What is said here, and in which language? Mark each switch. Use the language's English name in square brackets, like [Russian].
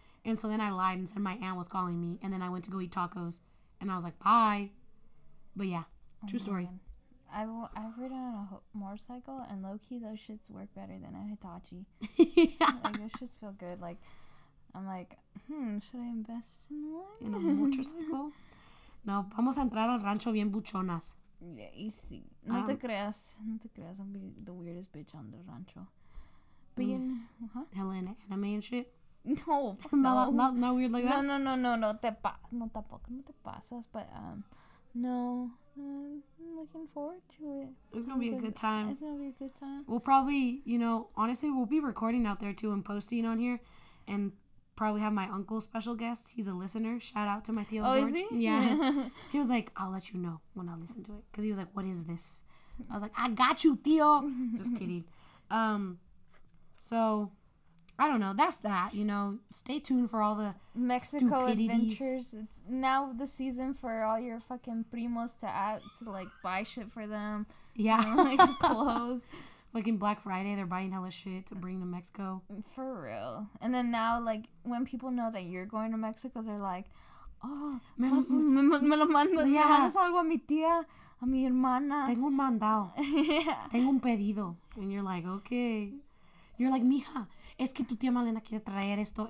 [English] And so then I lied and said my aunt was calling me, and then I went to go eat tacos, and I was like, bye. But yeah, true story. I've ridden on a motorcycle, and low-key, those shits work better than a Hitachi. Yeah. Like, those shits feel good. Like, I'm like, should I invest in one? In a motorcycle? [Spanish] No, vamos a entrar al rancho bien buchonas. [English] Yeah, easy. [Spanish] No te creas. No te creas. [English] I'm going to be the weirdest bitch on the rancho. But you know, Hella in anime and shit? No. not weird like that? [Spanish] No. No, tampoco. No te pasas. [English] But, no. I'm looking forward to it. It's going to be a good time. It's going to be a good time. We'll probably, you know, honestly, we'll be recording out there too and posting on here. And probably have my uncle special guest. He's a listener. Shout out to my tío. Oh, George. Is he? Yeah. He was like, I'll let you know when I listen to it. Because he was like, what is this? I was like, I got you, tío. Just kidding. So, I don't know. That's that, you know. Stay tuned for all the Mexico stupidities. Adventures. It's now the season for all your fucking primos to add, to like buy shit for them. Yeah. You know, like clothes. Like, in Black Friday, they're buying hella shit to bring to Mexico. For real. And then now, like, when people know that you're going to Mexico, they're like, oh, [Spanish] me lo mando. [English] Yeah. [Spanish] Me mandas algo a mi tía, a mi hermana. Tengo un mandado. [English] Yeah. [Spanish] Tengo un pedido. [English] And you're like, okay. You're like, [Spanish] mija, es que tu tía Malena quiere traer esto.